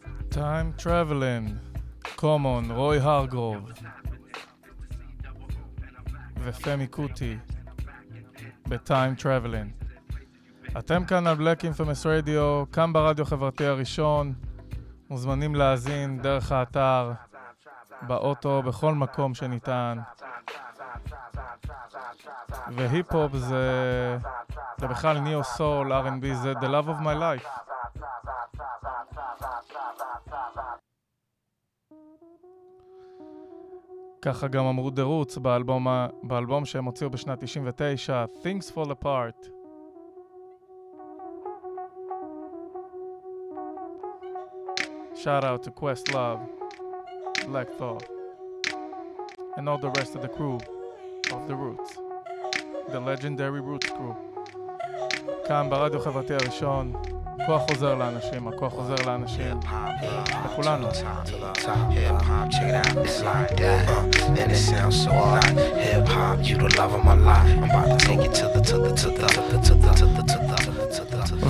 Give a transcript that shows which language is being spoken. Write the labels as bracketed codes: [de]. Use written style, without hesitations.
[he] Time Traveling, Come On, Roy Hargrove ופמי קוטי ב-Time Traveling. אתם כאן על Black Infamous Radio, כאן ברדיו חברתי הראשון, מוזמנים להזין דרך האתר, באוטו, בכל מקום שניתן. והיפ-הופ זה בכלל ניאו סול, R&B, זה The Love of My Life. ככה גם אמרו The Roots באלבום שהם הוציאו בשנת 99, Things Fall Apart. [en] Shout out to Questlove, Black Thought, and all the rest of the crew of The Roots, the legendary Roots crew. [he] כאן ברדיו חברתי הראשון, כוח חוזר לאנשים, הכוח חוזר לאנשים, לכולנו. [en] And it sounds so hot. Hip hop, you the love of my life. I'm about to take it to the.